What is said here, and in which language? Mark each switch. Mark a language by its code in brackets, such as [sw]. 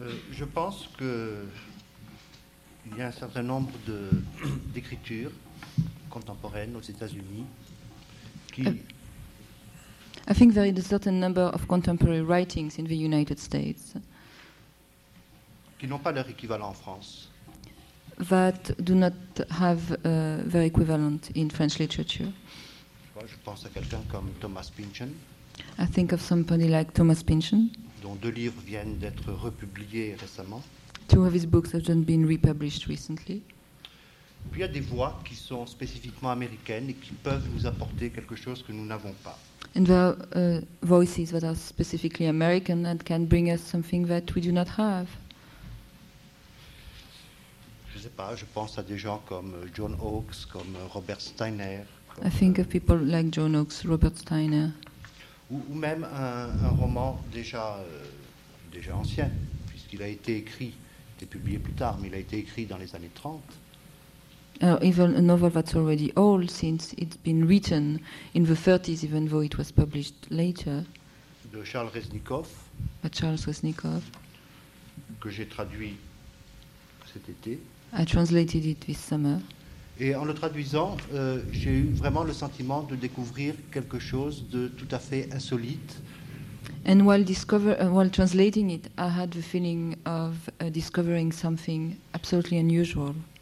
[fr] Je pense que il y a un certain nombre de d'écritures contemporaines aux États-Unis qui. [en] I think there is a certain number of contemporary writings in the United States. [fr] Qui n'ont pas leur équivalent en France. [en] That do not have their equivalent in French literature. [fr] Je pense à quelqu'un comme Thomas Pynchon. [en] I think of somebody like Thomas Pynchon. [fr] Dont deux livres viennent d'être republiés récemment. [en] Two of his books have been republished recently. [fr] Puis il y a des voix qui sont spécifiquement américaines et qui peuvent nous apporter quelque chose que nous n'avons pas. [en] And there are voices that are specifically American and can bring us something that we do not have. [fr] Je ne sais pas, je pense à des gens comme John Oakes, comme Robert Steiner. [en] I think of people like John Oakes, Robert Steiner. [fr] Ou même un roman déjà ancien, puisqu'il a été écrit, il est publié plus tard, mais il a été écrit dans les années 30. [en] Even a novel that's already old, since it's been written in the 30s, even though it was published later. [fr] De Charles Resnikoff. [en] By Charles Resnikoff. [fr] Que j'ai traduit cet été. [en] I translated it this summer. [fr] Et en le traduisant, j'ai eu vraiment le sentiment de découvrir quelque chose de tout à fait insolite. [en] And while translating it, I had the feeling of discovering something absolutely unusual.